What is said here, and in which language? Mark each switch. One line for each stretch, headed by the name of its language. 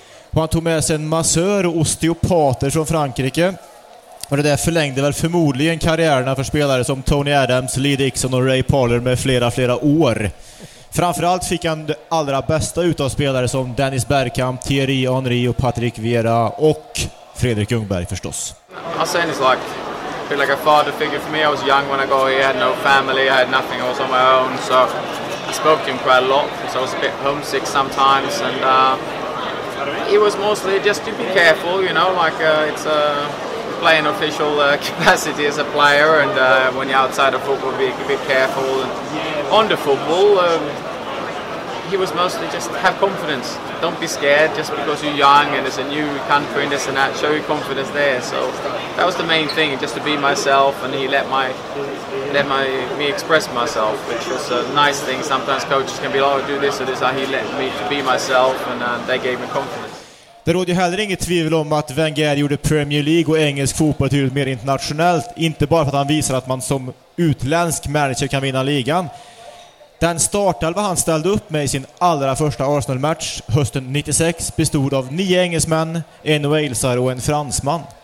Swedish: Och han tog med sig en massör och osteopater från Frankrike. Och det där förlängde väl förmodligen karriärerna för spelare som Tony Adams, Lee Dixon och Ray Parler med flera år. Framförallt fick han det allra bästa ut av spelare som Dennis Bergkamp, Thierry Henry och Patrick Vieira och Fredrik Ljungberg förstås.
English: Arsene is like, feel like a father figure for me. I was young when I got here, I had no family, I had nothing, I was on my own, so I spoke to him quite a lot, so I was a bit homesick sometimes, and he was mostly just to be careful, you know, like it's a playing official capacity as a player, and when you're outside of football, be a bit careful. And on the football, he was mostly just have confidence. Don't be scared just because you're young and it's a new country and this and that. Show your confidence there. So that was the main thing, just to be myself, and he let me express myself, which was a nice thing. Sometimes coaches can be like, oh, do this or this. He let me to be myself, and they gave me confidence.
Swedish: Det råder ju heller inget tvivel om att Wenger gjorde Premier League och engelsk fotboll till mer internationellt. Inte bara för att han visar att man som utländsk manager kan vinna ligan. Den startelva han ställde upp med i sin allra första Arsenal-match hösten 96 bestod av 9 engelsmän, en walesare och en fransman.